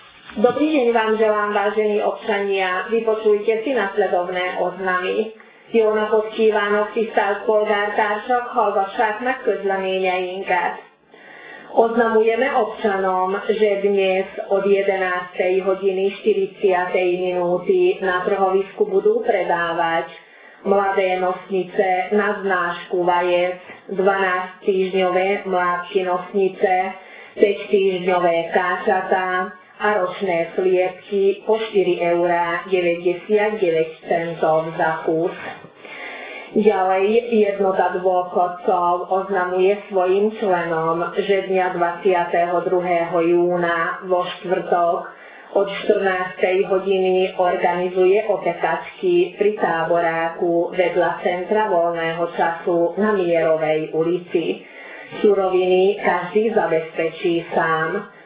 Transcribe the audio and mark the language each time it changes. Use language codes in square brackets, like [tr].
[sk] Dobrý deň vám želám, vážení občania. Vypočujte si nasledovné oznamy. [hu] Jónapot kívánok, tisztelt polgártársak, hallgassák meg közleményeinket. [sk] Oznamujeme občanom, že dnes od 11. hodiny 40. minúty na trhovisku budú predávať mladé nosnice na znášku vajec, 12 týždňové mladšie nosnice, 5 týždňové kášatá a ročné sliepky po 4,99 € za kus. Ďalej jednota dôchodcov oznamuje svojim členom, že dňa 22. júna vo štvrtok od 14. hodiny organizuje opekačky pri táboráku vedľa centra voľného času na Mierovej ulici. Suroviny každý zabezpečí sám.